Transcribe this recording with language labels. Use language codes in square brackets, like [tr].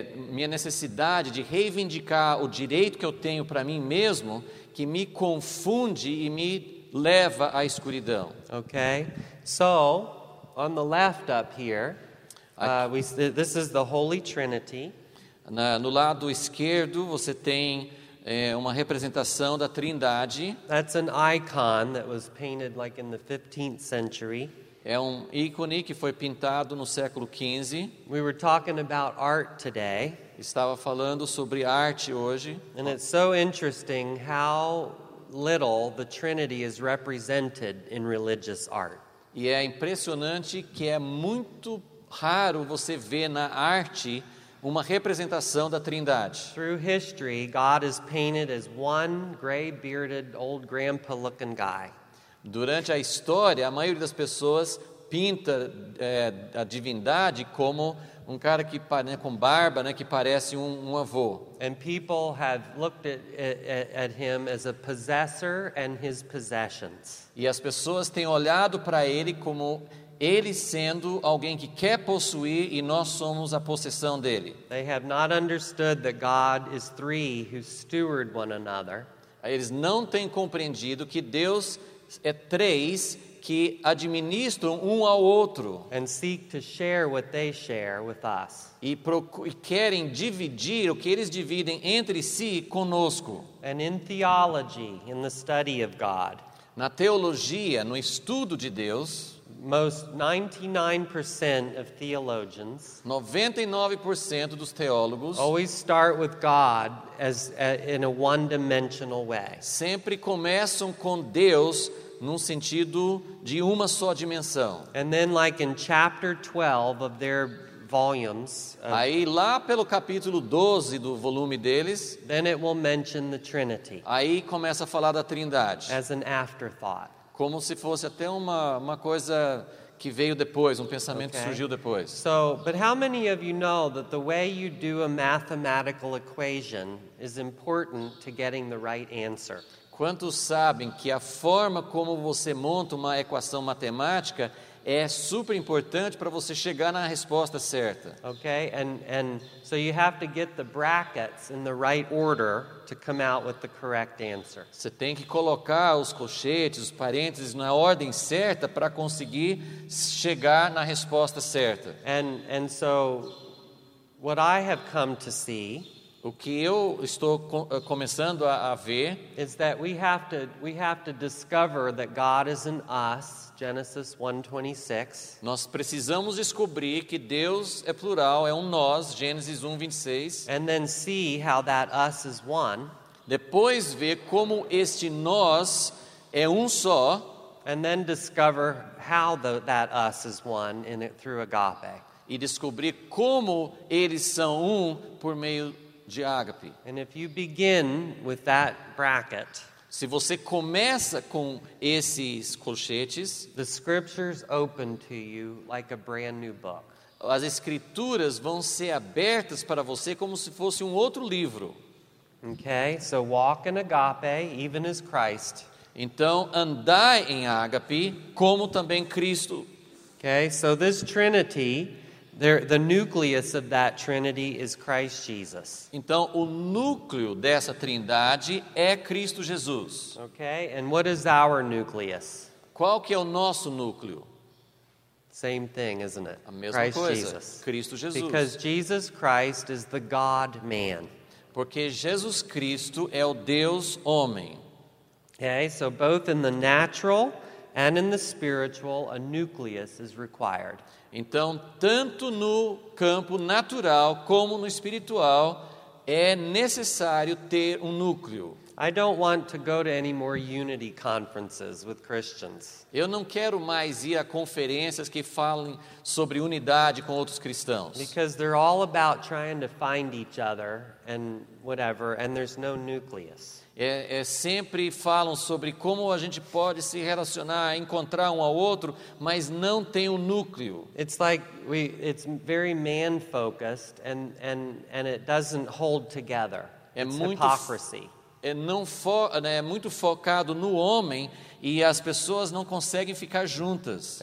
[pt] Minha necessidade de reivindicar o direito que eu tenho para mim mesmo que me confunde e me leva à escuridão. [en] Okay, so on the left up here, this is the Holy Trinity. [pt] No lado esquerdo você tem uma representação da Trindade. [en] That's an icon that was painted like in the 15th century. [pt] É um ícone que foi pintado no século 15. [en] We were talking about art today. [pt] Estava falando sobre arte hoje. [en] And it's so interesting how little the Trinity is represented in religious art. [pt] E é impressionante que é muito raro você ver na arte uma representação da Trindade. [en] Through history, God is painted as one gray-bearded old grandpa-looking guy. [pt] Durante a história, a maioria das pessoas pinta a divindade como um cara que, né, com barba, né, que parece um avô. [en] And people have looked at him as a possessor and his possessions. [pt] E as pessoas têm olhado para ele como ele sendo alguém que quer possuir e nós somos a possessão dele. [en] They have not understood that God is three who steward one another. [pt] Eles não têm compreendido que Deus é três que administram um ao outro. [en] And seek to share what they share with us. [pt] E querem dividir o que eles dividem entre si conosco. [en] And in theology, in the study of God. [pt] Na teologia, no estudo de Deus, [en] Most 99% of theologians [pt] 99% dos teólogos [en] always start with God as in a one-dimensional way. [pt] Sempre começam com Deus num sentido de uma só dimensão. [en] And then like in chapter 12 of their volumes. [pt] Aí lá pelo capítulo 12 do volume deles, [en] then it will mention the Trinity. [pt] Aí começa a falar da Trindade. [en] As an afterthought. [pt] Como se fosse até uma coisa que veio depois, um pensamento okay. Que surgiu depois. [en] So, but how many of you know that the way you do a mathematical equation is important to getting the right answer? [pt] Quantos sabem que a forma como você monta uma equação matemática é super importante para você chegar na resposta certa? [en] Okay, and so you have to get the brackets in the right order to come out with the correct answer. [pt] Você tem que colocar os colchetes, os parênteses na ordem certa para conseguir chegar na resposta certa. [en] And so what I have come to see, [pt] o que eu estou começando a ver, [en] is that we have to discover that God is in us. Genesis 1:26. [pt] Nós precisamos descobrir que Deus é plural, é um nós, Gênesis 1:26. [en] And then see how that us is one. [pt] Depois ver como este nós é um só. [en] And then discover how that us is one in it through agape. [pt] E descobrir como eles são um por meio de ágape. [en] And if you begin with that bracket, [pt] se você começa com esses colchetes, [en] the scriptures open to you like a brand new book. [pt] As escrituras vão ser abertas para você como se fosse um outro livro. [en] Okay, so walk in agape even as Christ. [pt] Então andai em ágape como também Cristo. [en] Okay, so this Trinity, the nucleus of that Trinity is Christ Jesus. [pt] Então, o núcleo dessa Trindade é Cristo Jesus. [en] Okay, and what is our nucleus? [pt] Qual que é o nosso núcleo? [en] Same thing, isn't it? [pt] A mesma Christ coisa. Jesus. Cristo Jesus. [en] Because Jesus Christ is the God-Man. [pt] Porque Jesus Cristo é o Deus-Homem. [en] Okay, so both in the natural and in the spiritual, a nucleus is required. [pt] Então, tanto no campo natural como no espiritual, é necessário ter um núcleo. [en] I don't want to go to any more unity conferences with Christians. [pt] Eu não quero mais ir a conferências que falem sobre unidade com outros cristãos. [en] Because they're all about trying to find each other and whatever, and there's no nucleus. [pt] É sempre falam sobre como a gente pode se relacionar, encontrar um ao outro, mas não tem um núcleo. [en] It's like it's very man focused and it doesn't hold together. It's hypocrisy. [pt] É muito focado no homem e as pessoas não conseguem ficar juntas.